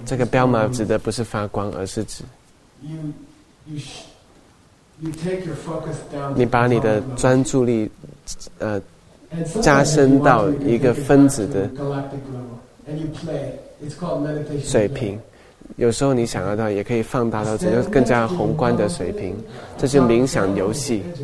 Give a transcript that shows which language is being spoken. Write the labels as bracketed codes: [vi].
[zh] 这个 Belma 指的不是发光，而是指 [en] you take your focus down. [zh] 你把你的专注力，加深到一个分子的 [en] galactic level, and you play. It's called meditation. [zh] 水平，有时候你想要到，也可以放大到这就更加宏观的水平。这是冥想游戏。